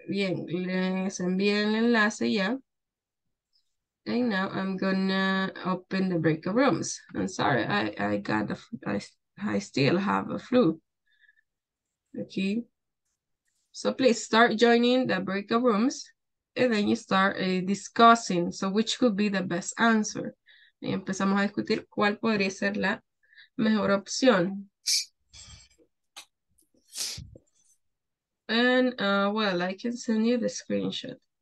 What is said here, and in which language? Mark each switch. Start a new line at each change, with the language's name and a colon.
Spanish: Bien, les envié el enlace ya.
English: And now I'm gonna open the breakout rooms. I'm sorry, I still have a flu. Okay. So please start joining the breakout rooms and then you start discussing. So which could be the best answer?
Spanish: Y empezamos a discutir cuál podría ser la mejor opción.
English: And well, I can send you the screenshot.